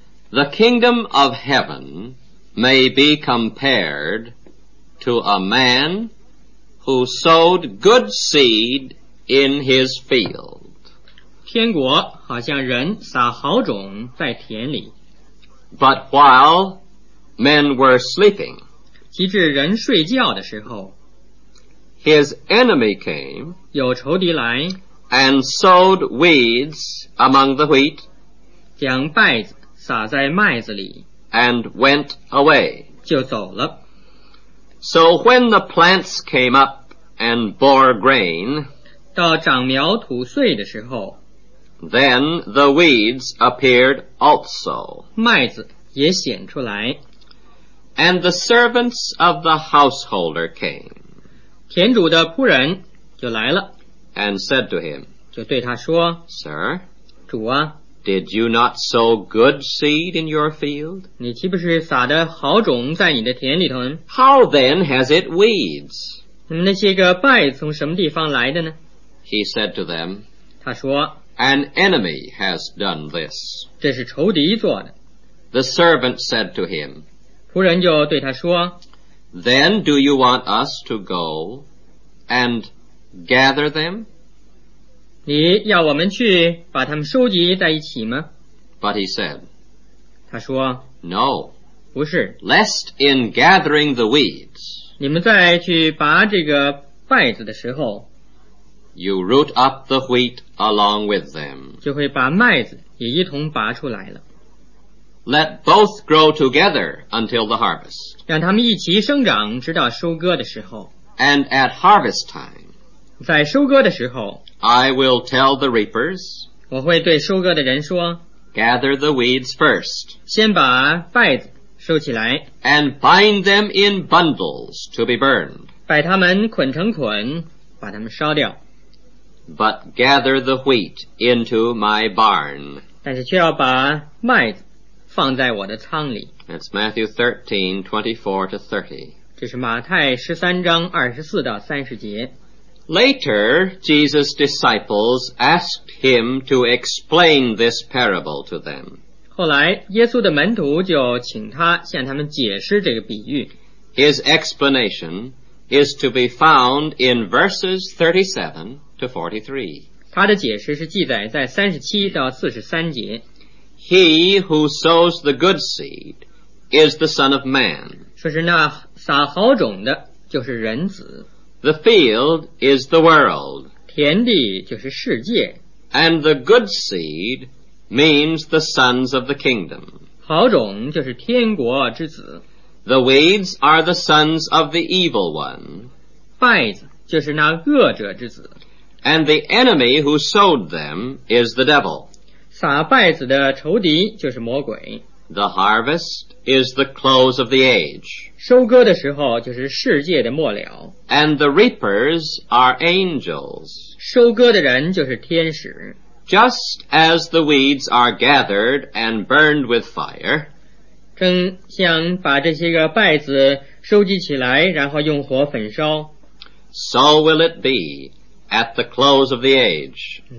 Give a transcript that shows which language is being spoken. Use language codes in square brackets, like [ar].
[en] The kingdom of heaven may be compared to a man who sowed good seed in his field. [zh] 天国好像人撒好种在田里。 [en] But while men were sleeping, [zh] 即至人睡觉的时候， [en] His enemy came, [zh] 有仇敌来, [en] and sowed weeds among the wheat, [zh] 将稗子撒在麦子里, [en] and went away. [zh] 就走了。 [en] So when the plants came up and bore grain, [zh] 到长苗吐穗的时候, [en] then the weeds appeared also. [zh] 麦子也显出来。 [en] And the servants of the householder came. [zh] 田主的仆人就来了 [en] and said to him, [zh] 就对他说 [en] Sir, [zh] 主啊 [en] did you not sow good seed in your field? [zh] 你岂不是撒的好种在你的田里头呢 [en] How then has it weeds? [zh] 那些个稗从什么地方来的呢 [en] He said to them, [zh] 他说 [en] An enemy has done this. [zh] 这是仇敌做的。 [en] The servant said to him, [zh] 仆人就对他说 [en] Then do you want us to go and gather them? [zh] 你要我们去把他们收集在一起吗? [en] But he said, [zh] 他说, [en] No, [zh] 不是, [en] lest in gathering the weeds, [zh] 你们再去拔这个稗子的时候, [en] you root up the wheat along with them, [zh] 就会把麦子也一同拔出来了。 [en] Let both grow together until the harvest. [zh] 让他们一起生长直到收割的时候。 [en] And at harvest time, [zh] 在收割的时候, [en] I will tell the reapers, [zh] 我会对收割的人说, [en] gather the weeds first, [zh] 先把稗子收起来。 [en] And bind them in bundles to be burned. [zh] 把他们捆成捆，把他们烧掉。 [en] But gather the wheat into my barn. [zh] 但是却要把麦放在我的仓里。 [en] That's Matthew 13:24-30. [zh] 这是马太13:24-30. [en] Later, Jesus' disciples asked him to explain this parable to them. [zh] 后来耶稣的门徒就请他向他们解释这个比喻。 [en] His explanation is to be found in verses 37-43. [zh] 他的解释是记载在37-43. [en] He who sows the good seed is the Son of Man. [zh] 说是那撒好种的就是人子。 [en] The field is the world. [zh] 田地就是世界。 [en] And the good seed means the sons of the kingdom. [zh] 好种就是天国之子。 [en] The weeds are the sons of the evil one. [zh] 败子就是那恶者之子。 [en] And the enemy who sowed them is the devil. [zh] 撒败子的仇敌就是魔鬼。 [en] The harvest is the close of the age. [zh] 收割的时候就是世界的末了。 [en] And the reapers are angels. [zh] 收割的人就是天使。 [en] Just as the weeds are gathered and burned with fire, [zh] 正像把这些个败子收集起来然后用火焚烧。 [en] So will it be at the close of the age.